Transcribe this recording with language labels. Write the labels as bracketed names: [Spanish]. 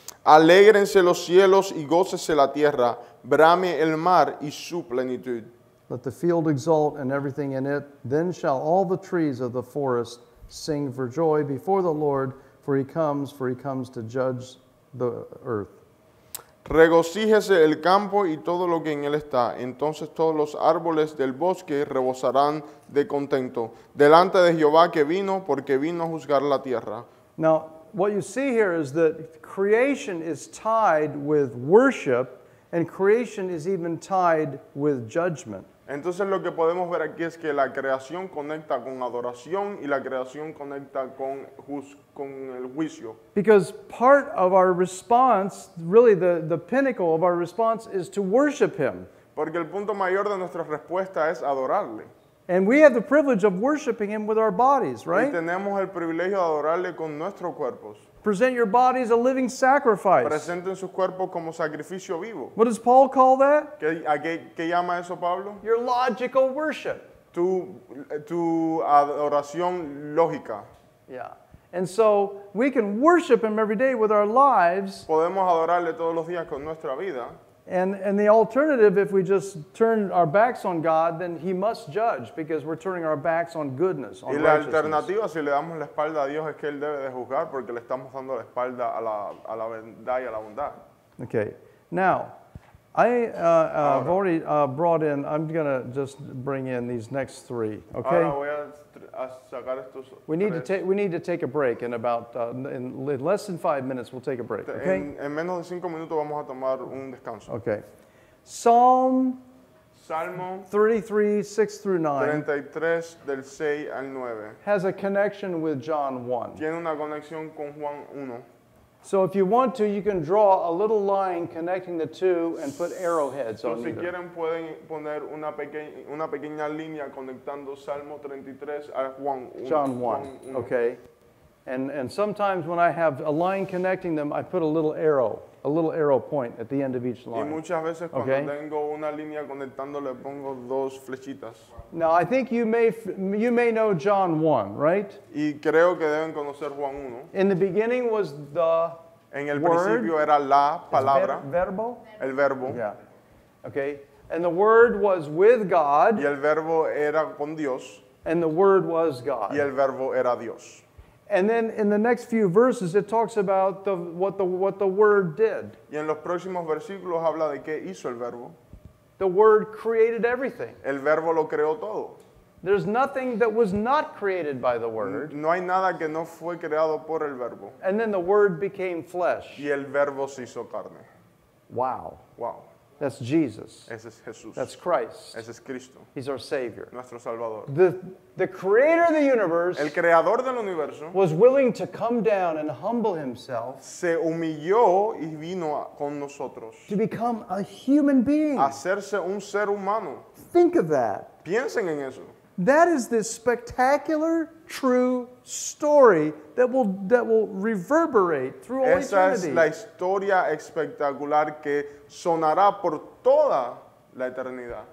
[Spanish] Alégrense los cielos y gócese la tierra. Brame el mar y su plenitud. [English] Let the field exult and everything in it. Then shall all the trees of the forest sing for joy before the Lord, for he comes to judge the earth. [Spanish] Regocíjese el campo y todo lo que en él está. Entonces todos los árboles del bosque rebosarán de contento. Delante de Jehová que vino, porque vino a juzgar la tierra. [English] Now, what you see here is that creation is tied with worship, and creation is even tied with judgment. [Spanish] Entonces lo que podemos ver aquí es que la creación conecta con adoración y la creación conecta con el juicio. [English] Because part of our response, really the pinnacle of our response is to worship Him. [Spanish] Porque el punto mayor de nuestra respuesta es adorarle. [English] And we have the privilege of worshiping Him with our bodies, right? [Spanish] Y tenemos el privilegio de adorarle con nuestros cuerpos. [English] Present your bodies a living sacrifice. [Spanish] Presenten sus cuerpos como sacrificio vivo. [English] What does Paul call that? [Spanish] ¿Qué llama eso Pablo? [English] Your logical worship. [Spanish] Tu adoración lógica. [English] Yeah. And so we can worship Him every day with our lives. [Spanish] Podemos adorarle todos los días con nuestra vida. [English] And the alternative, if we just turn our backs on God, then He must judge because we're turning our backs on goodness, on righteousness. [Spanish] Y la alternativa, si le damos la espalda a Dios, es que Él debe de juzgar porque le estamos dando la espalda a la verdad y a la bondad. [English] Okay. Now, I've already brought in, I'm going to just bring in these next three, okay? [Spanish] Ahora voy a sacar estos [English] we need [Spanish] tres. [English] we need to take a break in about in less than 5 minutes. We'll take a break. Okay. [Spanish] En menos de 5 minutos vamos a tomar un descanso. [English] Okay. Psalm. [Spanish] Salmo [English] 33:6-9 has a connection with John 1. [Spanish] Tiene una conexión con Juan 1. [English] So if you want to, you can draw a little line connecting the two and put arrowheads on either. [Spanish] Si quieren pueden poner una pequeña línea conectando Salmo 33 a Juan 1. [English] John 1, okay. And sometimes when I have a line connecting them, I put a little arrow point at the end of each line. [Spanish] Y muchas veces cuando okay? tengo una línea conectando, le pongo dos flechitas. [English] Now, I think you may know John 1, right? [Spanish] Y creo que deben conocer Juan 1. [English] In the beginning was the [Spanish] En el [English] word. [Spanish] Principio era la palabra. Verbo? El verbo. [English] Yeah. Okay. And the word was with God. [Spanish] Y el verbo era con Dios. [English] And the word was God. [Spanish] Y el verbo era Dios. [English] And then in the next few verses, it talks about what the word did. [Spanish] Y en los próximos versículos habla de qué hizo el verbo. [English] The word created everything. [Spanish] El verbo lo creó todo. [English] There's nothing that was not created by the word. [Spanish] No hay nada que no fue creado por el verbo. [English] And then the word became flesh. [Spanish] Y el verbo se hizo carne. [English] Wow. Wow. That's Jesus. [Spanish] Ese es Jesús. [English] That's Christ. [Spanish] Ese es Cristo. [English] He's our Savior. [Spanish] Nuestro Salvador. [English] The creator of the universe [Spanish] El creador del universo [English] was willing to come down and humble himself [Spanish] se humilló y vino con nosotros [English] to become a human being. [Spanish] Hacerse un ser humano. [English] Think of that. [Spanish] Piensen en eso. [English] That is this spectacular, true story that will reverberate through all [Spanish] Esa Esa es la historia espectacular que sonará por toda la eternidad.